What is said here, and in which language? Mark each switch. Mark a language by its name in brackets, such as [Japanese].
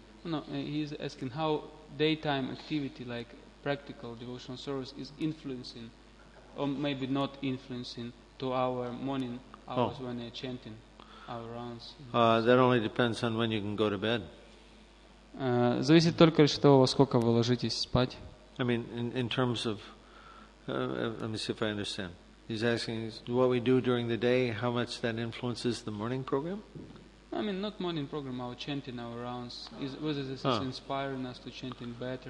[English] No, he's asking how daytime activity, like practical devotional service, is influencing, or maybe not influencing, to our morning hours when they're chanting. That only depends on when you can go to bed. [Russian] Зависит только лишь от того, во сколько вы ложитесь спать. [English] I mean, in terms of Let me see if I understand. He's asking what we do during the day, how much that influences the morning program? I mean, not morning program, our chanting, our rounds. Whether this is inspiring us to chanting better.